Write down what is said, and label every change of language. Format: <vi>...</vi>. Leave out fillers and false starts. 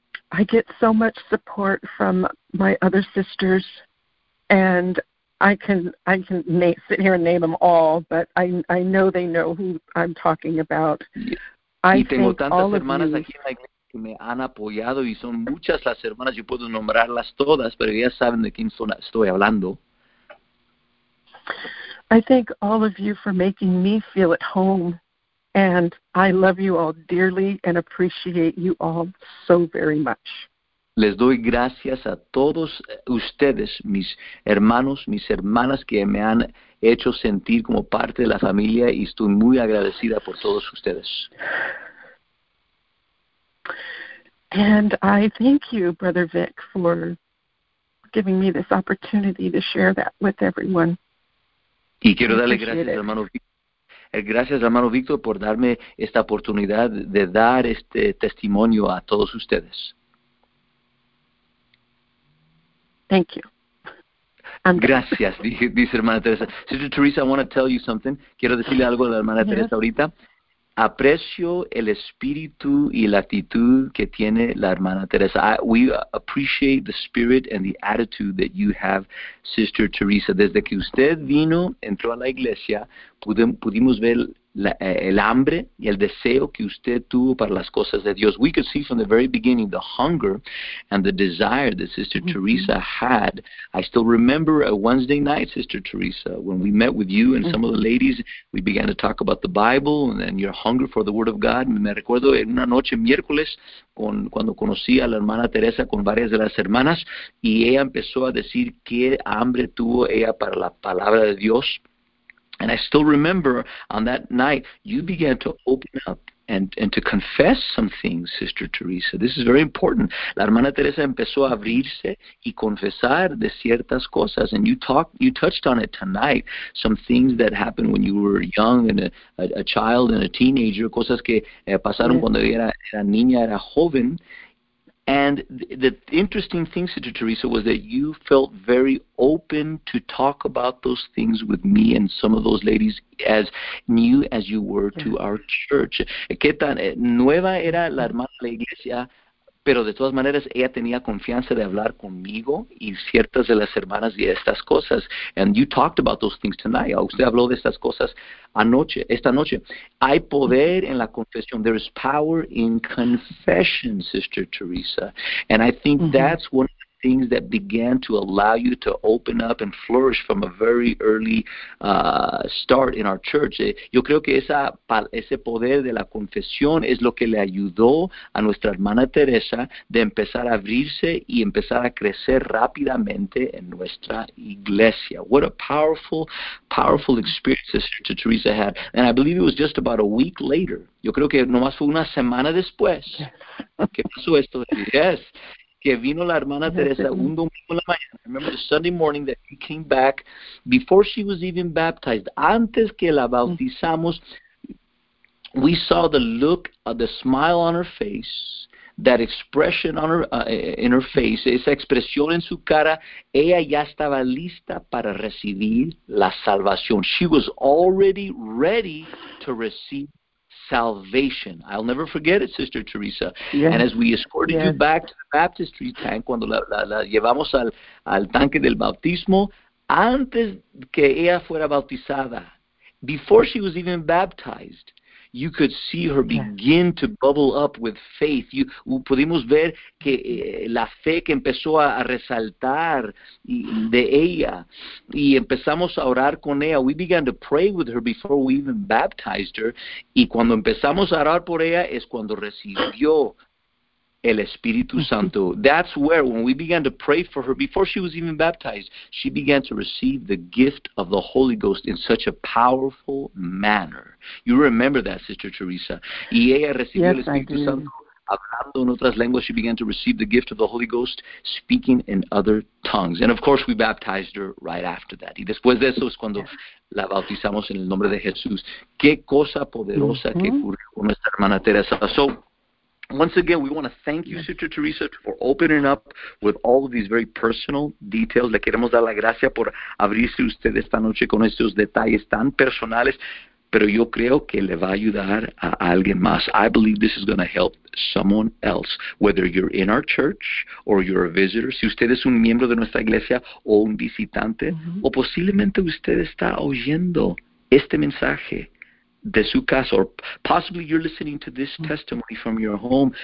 <en>I get so much support from my other sisters, and I can sit here and name them all, but I know they know who I'm talking about.</en> <es>Y tengo tantas hermanas aquí en la iglesia que me han apoyado, y son muchas las hermanas, yo puedo nombrarlas todas, pero ellas saben de quién estoy hablando.</es> <en>I thank all of you for making me feel at home, and I love you all dearly and appreciate you all so very much.</en> <es>Les doy gracias a todos ustedes, mis hermanos, mis hermanas, que me han hecho sentir como parte de la familia, y estoy muy agradecida por todos ustedes.</es> <en>And I thank you, Brother Vic, for giving me this opportunity to share that with everyone.</en> <es>Y quiero darle gracias, hermano Vic. Gracias, hermano Víctor, por darme esta oportunidad de dar este testimonio a todos ustedes.</es> <en>Thank you.</en> <es>Gracias, dice hermana Teresa.</es> <en>Sister Teresa, I want to tell you something.</en> <es>Quiero decirle algo a la hermana Teresa ahorita. Aprecio el espíritu y la actitud que tiene la hermana Teresa.</es> <en>We appreciate the spirit and the attitude that you have, Sister Teresa.</en> <es>Desde que usted vino, entró a la iglesia, pudimos ver el hambre y el deseo que usted tuvo para las cosas de Dios.</es> <en>We could see from the very beginning the hunger and the desire that Sister Teresa had. I still remember a Wednesday night, Sister Teresa, when we met with you and some of the ladies. We began to talk about the Bible and your hunger for the Word of God.</en> <es>Me recuerdo en una noche miércoles cuando conocí a la hermana Teresa con varias de las hermanas, y ella empezó a decir qué hambre tuvo ella para la palabra de Dios.</es> <en>And I still remember on that night, you began to open up and to confess some things, Sister Teresa. This is very important.</en> <es>La hermana Teresa empezó a abrirse y confesar de ciertas cosas.</es> <en>And you touched on it tonight, some things that happened when you were young and a child and a teenager,</en> <es>cosas que pasaron cuando era niña, era joven.</es> <en>And the interesting thing, Sister Teresa, was that you felt very open to talk about those things with me and some of those ladies, as new as you were to our church.</en> <es>¿Qué tan nueva era la hermana de la iglesia? Pero de todas maneras, ella tenía confianza de hablar conmigo y ciertas de las hermanas de estas cosas.</es> <en>And you talked about those things tonight.</en> <es>Usted habló de estas cosas anoche, esta noche. Hay poder en la confesión.</es> <en>There is power in confession, Sister Teresa. And I think that's one of the things that began to allow you to open up and flourish from a very early start in our church.</en> <es>Yo creo que ese poder de la confesión es lo que le ayudó a nuestra hermana Teresa de empezar a abrirse y empezar a crecer rápidamente en nuestra iglesia.</es> <en>What a powerful, powerful experience Sister Teresa had. And I believe it was just about a week later.</en> <es>Yo creo que nomás fue una semana después. ¿Qué pasó esto?</es> <en>Yes.</en> <es>Que vino la hermana Teresa un domingo en la mañana.</es> <en>Remember the Sunday morning that she came back before she was even baptized.</en> <es>Antes que la bautizamos,</es> <en>we saw the look of the smile on her face, that expression on her in her face,</en> <es>esa expresión en su cara. Ella ya estaba lista para recibir la salvación.</es> <en>She was already ready to receive salvation. I'll never forget it, Sister Teresa. Yes. And as we escorted you back to the baptistry tank,</en> <es>cuando la llevamos al tanque del bautismo, antes que ella fuera bautizada,</es> <en>before she was even baptized, you could see her begin to bubble up with faith.</en> <es>Pudimos ver que la fe que empezó a resaltar de ella, y empezamos a orar con ella.</es> <en>We began to pray with her before we even baptized her.</en> <es>Y cuando empezamos a orar por ella es cuando recibió el Espíritu Santo.</es> <en>That's where, when we began to pray for her before she was even baptized, she began to receive the gift of the Holy Ghost in such a powerful manner. You remember that, Sister Teresa.</en> <es>Y ella recibió el Espíritu Santo hablando en otras lenguas.</es> <en>She began to receive the gift of the Holy Ghost speaking in other tongues. And of course, we baptized her right after that.</en> <es>Y después de eso es cuando la bautizamos en el nombre de Jesús. Qué cosa poderosa que ocurrió con nuestra hermana Teresa.</es> <en>So, once again, we want to thank you, Sister Teresa, for opening up with all of these very personal details.</en> <es>Le queremos dar la gracia por abrirse usted esta noche con estos detalles tan personales, pero yo creo que le va a ayudar a alguien más.</es> <en>I believe this is going to help someone else, whether you're in our church or you're a visitor.</en> <es>Si usted es un miembro de nuestra iglesia o un visitante, o posiblemente usted está oyendo este mensaje de su casa,</es> <en>or possibly you're listening to this testimony from your home.</en>